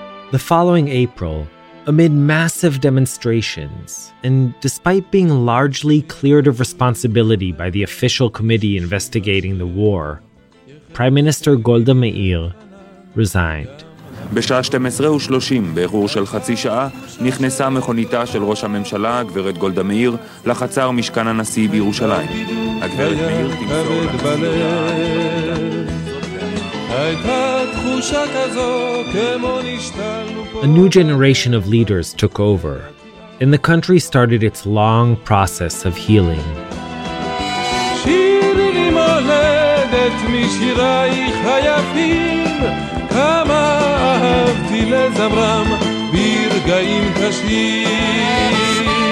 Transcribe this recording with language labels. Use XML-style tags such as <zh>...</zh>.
<en>The following April, amid massive demonstrations, and despite being largely cleared of responsibility by the official committee investigating the war, Prime Minister Golda Meir resigned.</en> <he>בשעה 12:30, באירור של חצי שעה, נכנסה מכוניתה של ראש הממשלה, גברת גולדה מאיר, לחצר משכן הנשיא בירושלים. הגברת מאיר תמסור.</he> <en>A new generation of leaders took over, and the country started its long process of healing.</en> <he>שירי לי מולדת משירייך היפים, כמה אהבתי לזמרם ברגעים קשים.</he>